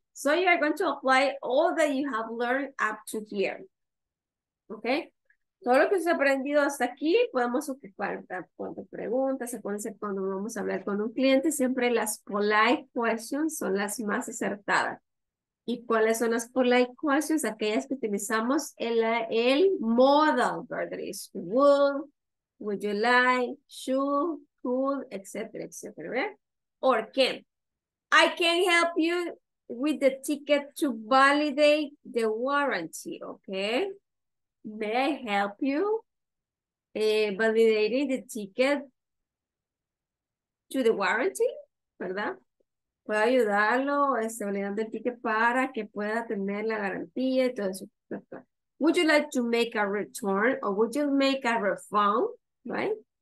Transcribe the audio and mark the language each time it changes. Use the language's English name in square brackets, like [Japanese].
[English] So you are going to apply all that you have learned up to here. Okay? [Spanish] Todo lo que se ha aprendido hasta aquí, podemos ocupar cuántas preguntas, acuérdense cuando vamos a hablar con un cliente, siempre las polite questions son las más acertadas. ¿Y cuáles son las polite questions? Aquellas que utilizamos el model, [English] whether it's would you like, [Spanish] should, could, etcétera, etcétera, ¿verdad? [English] Or can. I can help you with the ticket to validate the warranty, okay? May I help you validating the ticket to the warranty, ¿verdad? [Spanish] ¿Puedo ayudarlo validando el ticket para que pueda tener la garantía y todo eso? [English] Would you like to make a return or would you make a refund, right?